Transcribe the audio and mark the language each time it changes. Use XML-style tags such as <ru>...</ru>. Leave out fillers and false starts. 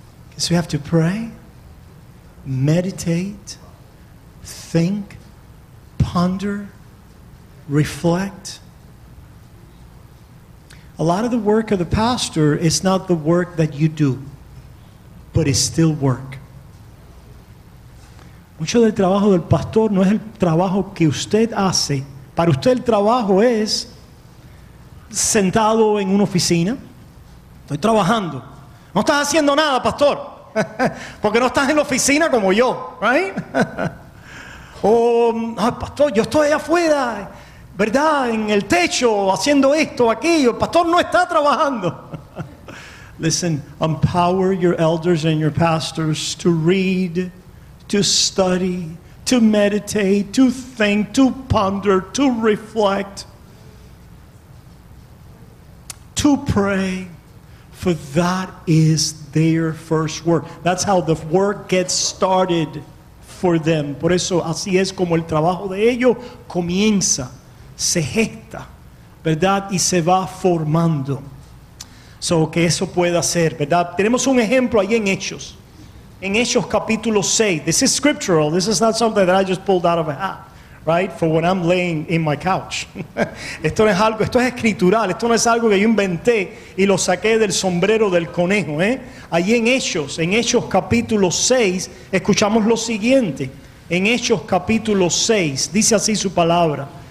<en>Because we have to pray, meditate, think, ponder, reflect. A lot of the work of the pastor is not the work that you do, but it's still work.</en> <es>Mucho del trabajo del pastor no es el trabajo que usted hace. Para usted el trabajo es sentado en una oficina. Estoy trabajando. No estás haciendo nada, pastor, porque no estás en la oficina como yo,</es> <en>right?</en> <es>O, pastor, yo estoy afuera ¿verdad? En el techo, haciendo esto, aquello. El pastor no está trabajando.</es> <en>Listen, empower your elders and your pastors to read, to study, to meditate, to think, to ponder, to reflect, to pray, for that is their first work. That's how the work gets started for them.</en> <es>Por eso, así es como el trabajo de ellos comienza, se gesta, ¿verdad? Y se va formando. So, que eso pueda ser, ¿verdad? Tenemos un ejemplo ahí en Hechos. En Hechos capítulo 6.</es> <en>This is scriptural. This is not something that I just pulled out of a hat, right? For when I'm laying in my couch.</en> <es>Esto no es algo, esto es escritural. Esto no es algo que yo inventé y lo saqué del sombrero del conejo, ¿eh? Ahí en Hechos capítulo 6, escuchamos lo siguiente. En Hechos capítulo 6, dice así su palabra.</es>